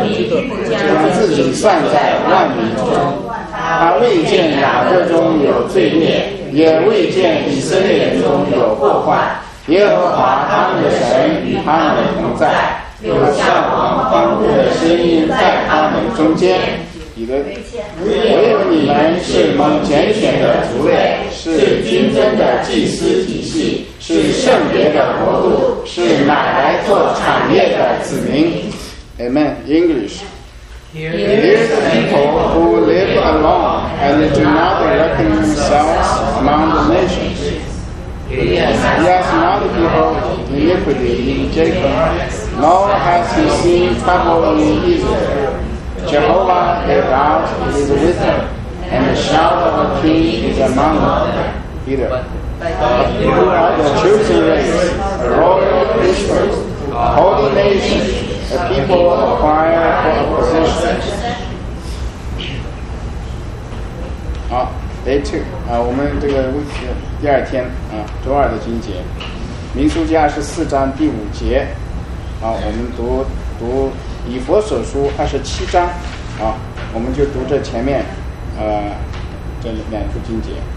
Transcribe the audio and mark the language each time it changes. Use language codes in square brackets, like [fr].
[zh] 将自己算在万民中，他未见雅各中有罪孽，也未见以色列中有祸患，耶和华他们的神与他们同在，有向往欢呼的声音在他们中间。彼得，唯有你们是蒙拣选的族类，是君尊的祭司体系，是圣别的国度，是买来做产业的子民。 [en] Amen. English. Here is the people who live alone and do not reckon themselves among the nations. He has not beheld iniquity in Jacob, nor has he seen trouble in Israel. Jehovah their God is with them, and the shout of a king is among them. Peter. You are the chosen race, a royal priesthood, a holy nation, a people acquired for a possession. [zh] 好 ， [en] day two [zh] 啊，我们这个第二天啊，周二的经节，民数记二十四章第五节，啊，我们读以弗所书二十七章，啊，我们就读这前面，这两处经节。